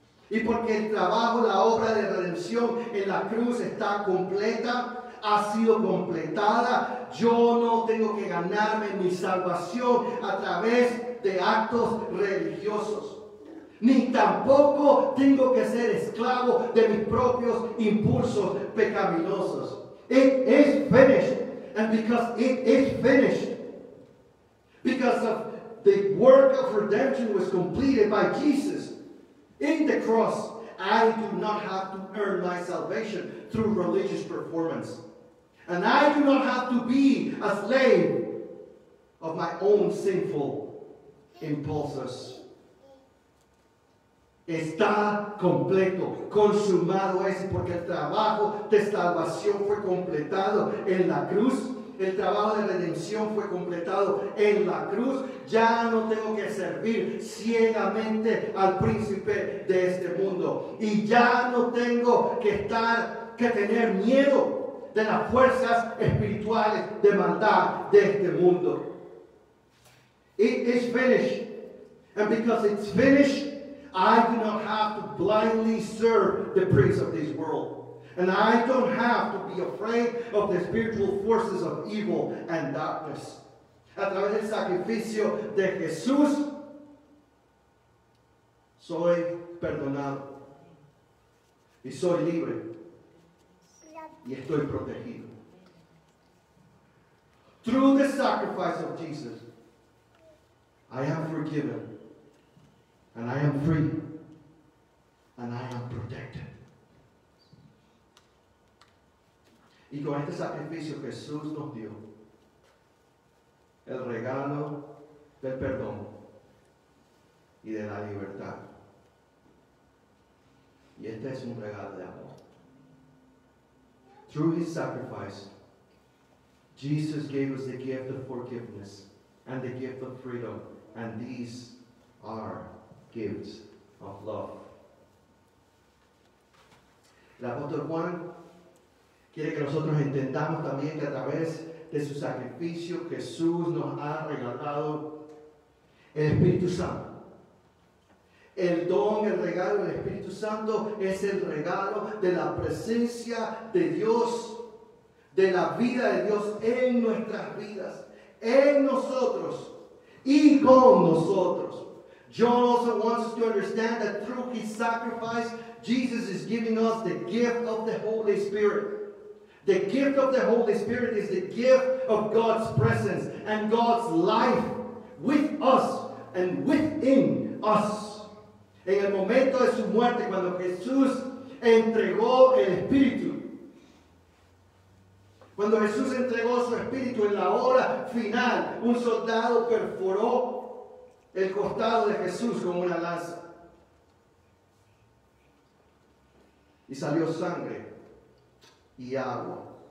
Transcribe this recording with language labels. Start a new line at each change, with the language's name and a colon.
Spanish: Y porque el trabajo, la obra de redención en la cruz está completa, ha sido completada, yo no tengo que ganarme mi salvación a través de actos religiosos. Ni tampoco tengo que ser esclavo de mis propios impulsos pecaminosos.
English: It is finished. And because it is finished, because of the work of redemption was completed by Jesus, in the cross, I do not have to earn my salvation through religious performance. And I do not have to be a slave of my own sinful impulses.
Spanish: Está completo, consumado es, porque el trabajo de salvación fue completado en la cruz. El trabajo de redención fue completado en la cruz. Ya no tengo que servir ciegamente al príncipe de este mundo. Y ya no tengo que tener miedo de las fuerzas espirituales de maldad de este mundo.
English: It is finished. And because it's finished, I do not have to blindly serve the prince of this world. And I don't have to be afraid of the spiritual forces of evil and darkness.
Spanish: A través del sacrificio de Jesús, soy perdonado. Y soy libre. Y estoy protegido.
English: Through the sacrifice of Jesus, I am forgiven. And I am free. And I am protected.
Spanish: Y con este sacrificio Jesús nos dio, el regalo del perdón y de la libertad. Y este es un regalo de amor.
English: Through his sacrifice, Jesus gave us the gift of forgiveness and the gift of freedom, and these are gifts of love.
Spanish: El apóstol Juan quiere que nosotros entendamos también que a través de su sacrificio Jesús nos ha regalado el Espíritu Santo. El don, el regalo del Espíritu Santo es el regalo de la presencia de Dios, de la vida de Dios en nuestras vidas, en nosotros y con nosotros.
English: John also wants us to understand that through his sacrifice, Jesus is giving us the gift of the Holy Spirit. The gift of the Holy Spirit is the gift of God's presence and God's life with us and within us.
Spanish: En el momento de su muerte, cuando Jesús entregó el Espíritu, cuando Jesús entregó su Espíritu en la hora final, un soldado perforó el costado de Jesús con una lanza y salió sangre y agua.